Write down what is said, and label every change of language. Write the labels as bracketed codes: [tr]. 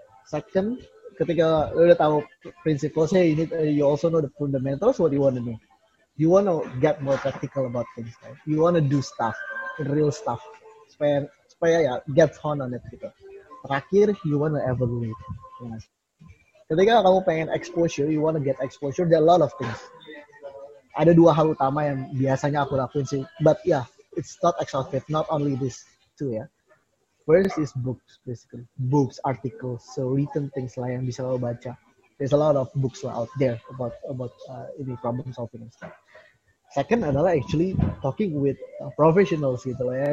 [en] Second, [id] ketika udah tahu prinsipalnya, [en] you need you also know the fundamentals. What you want to do? You want to get more practical about things, right? You want to do stuff, real stuff. [id] Supaya ya [en] get on it gitu. Terakhir, you want to evaluate. Yes. [id] Ketika kamu pengen exposure, [en] you want to get exposure. There are a lot of things. [id] Ada dua hal utama yang biasanya aku lakuin sih. [en] But yeah, it's not exhaustive. Not only this two ya. First is books, basically. Books, articles, so written things lah [id] yang bisa lo baca. [en] There's a lot of books lah out there about problem solving and stuff. Second adalah actually talking with professionals gitu lah.